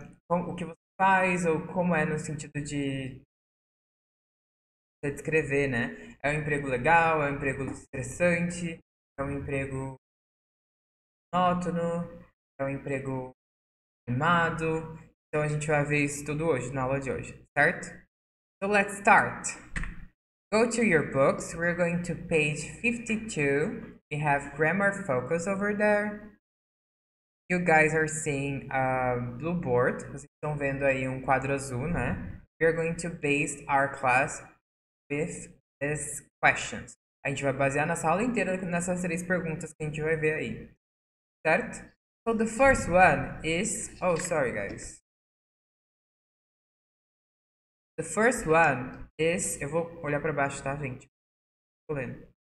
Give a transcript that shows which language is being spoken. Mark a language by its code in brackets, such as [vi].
[pt] O que você faz, ou como é no sentido de você descrever, né? É um emprego legal, é um emprego estressante, é um emprego monótono, é um emprego animado. Então a gente vai ver isso tudo hoje, na aula de hoje, certo? [en] So let's start. Go to your books, we're going to page 52. We have grammar focus over there. You guys are seeing a blue board. [pt] Vocês estão vendo aí quadro azul, né? [en] We are going to base our class with these questions. [pt] A gente vai basear nossa aula inteira nessas três perguntas que a gente vai ver aí. [en] Certo? So the first one is... Oh, sorry, guys. The first one is... [pt] Eu vou olhar para baixo, tá, gente? Tô lendo.